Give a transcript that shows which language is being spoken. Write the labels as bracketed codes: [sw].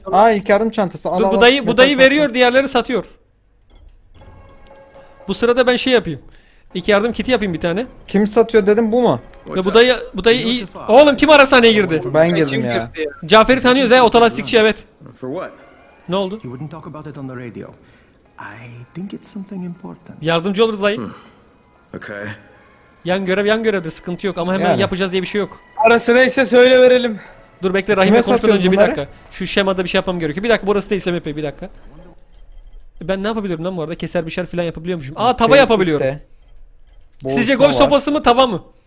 [tr] Aa ilk yardım çantası. Dur bu dayı, bu dayı veriyor, diğerleri satıyor. Bu sırada ben şey yapayım. İlk yardım kiti yapayım bir tane. Kim satıyor dedim, bu mu? Ya bu dayı iyi. Oğlum kim ara sahneye girdi? Ben girdim ya. Cafer'i tanıyoruz ya, otolastikçi evet. Ne oldu? [en] He wouldn't talk about it on the radio. I think it's something important. [tr] Yardımcı oluruz dayı. Okay. Yan görevde sıkıntı yok ama hemen yani. Yapacağız diye bir şey yok. Arası neyse söyle verelim. Dur bekle, Rahim'le konuşmadan önce bir dakika. Şu şemada bir şey yapmam gerekiyor. Bir dakika, burası da İslami Bey, bir dakika. Ben ne yapabilirim lan bu arada? Keser bir şeyler falan yapabiliyormuşum. Aa taba şey yapabiliyorum. Sizce golf sopası mı, taba mı?